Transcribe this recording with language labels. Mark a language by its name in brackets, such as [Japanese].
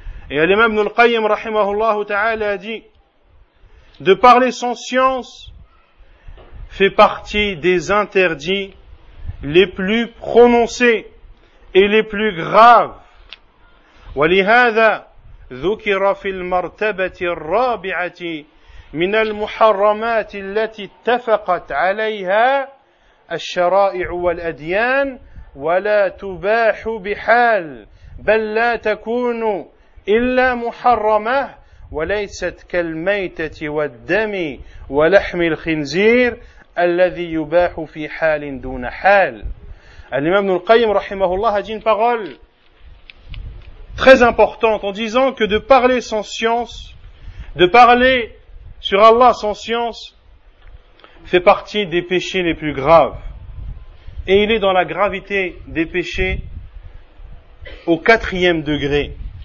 [French] Et l'imam ibn al-Qayyim rahimahullah ta'ala a dit: De parler sans science fait partie des interdits les plus prononcés et les plus graves. [Arabic] Wa li hadha dhukira fil martabati ar-rabi'ati min al-muharramat allati ittafaqat 'alayha الشرائع والأديان ولا تباح بحال بل لا تكون إلا محرمة وليست كالميتة والدم ولحم الخنزير الذي يباح في حال دون حال. الإمام ابن القيم رحمه الله [French] a dit une parole très importante en disant que de parler sans science, de parler sur Allah sans science, fait partie des péchés les plus graves. Et il est dans la gravité des péchés au quatrième degré.